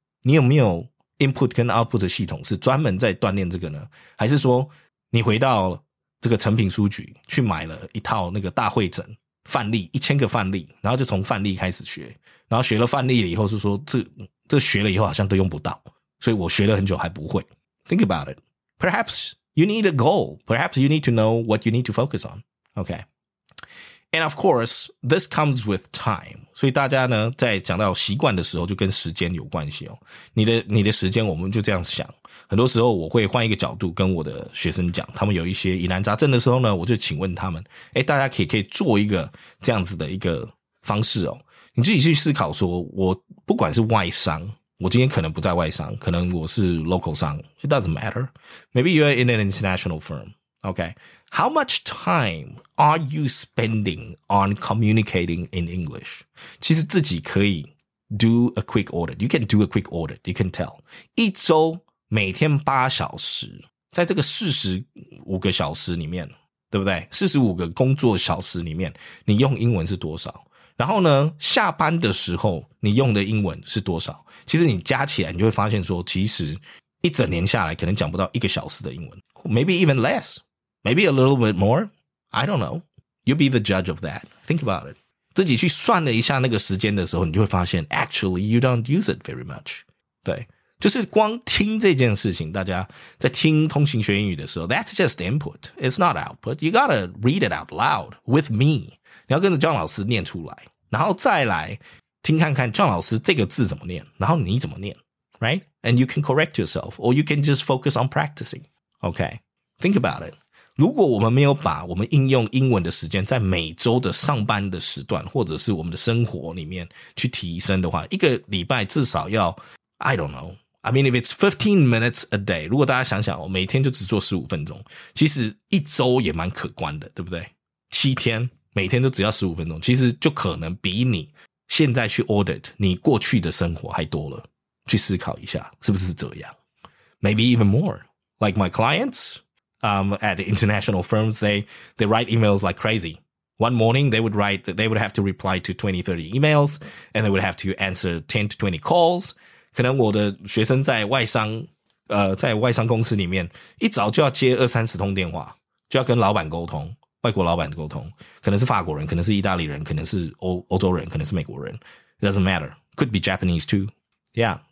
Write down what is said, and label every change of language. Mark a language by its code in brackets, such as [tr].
[zh] 你有没有 input 跟 output 的系统是专门在锻炼这个呢还是说你回到这个诚品书局去买了一套那个大会诊范例1000个范例然后就从范例开始学然后学了范例以后是说这学了以后好像都用不到所以我学了很久还不会。 [en] Think about it. Perhaps you need a goal. Perhaps you need to know what you need to focus on. Okay. And of course, this comes with time. [zh] 所以大家呢在讲到习惯的时候就跟时间有关系哦。你的时间我们就这样想。很多时候我会换一个角度跟我的学生讲，他们有一些疑难杂症的时候呢，我就请问他们，诶，大家可以做一个这样子的一个方式哦。你自己去思考说，我不管是外商，我今天可能不在外商，可能我是 local 商， [en] It doesn't matter. Maybe you're in an international firm. Okay. How much time are you spending on communicating in English? [zh] 其实自己可以 [en] do a quick audit. You can do a quick audit. You can tell. [zh] 一周每天八小时，在这个45个小时里面，对不对？ 45个工作小时里面，你用英文是多少？然后呢，下班的时候你用的英文是多少？其实你加起来，你就会发现说，其实一整年下来可能讲不到一个小时的英文。 [en] Maybe even less. Maybe a little bit more. I don't know. You'll be the judge of that. Think about it. [zh] 自己去算了一下那个时间的时候，你就会发现 [en] actually you don't use it very much. [zh] 对，就是光听这件事情，大家在听通勤学英语的时候， [en] that's just input. It's not output. You gotta read it out loud with me. [zh] 你要跟着 John 老师念出来，然后再来听看看 John 老师这个字怎么念，然后你怎么念， [en] right? And you can correct yourself, or you can just focus on practicing. Okay, think about it. [zh] 如果我们没有把我们应用英文的时间在每周的上班的时段，或者是我们的生活里面去提升的话，一个礼拜至少要 [en] I don't know. I mean, if it's 15 minutes a day, [zh] 如果大家想想，我每天就只做15分钟，其实一周也蛮可观的，对不对？七天。每天都只要15分钟，其实就可能比你现在去 audit 你过去的生活还多了。去思考一下是不是这样。 [en] Maybe even more. Like my clients, at the international firms, they write emails like crazy. One morning they would write, they would have to reply to 20, 30 emails, and they would have to answer 10 to 20 calls. [zh] 可能我的学生在外商公司里面一早就要接二三十通电话，就要跟老板沟通。外国老板的沟通，可能是法国人，可能是意大利人，可能是欧洲人，可能是美国人。 [en] It doesn't matter. Could be Japanese too. Yeah.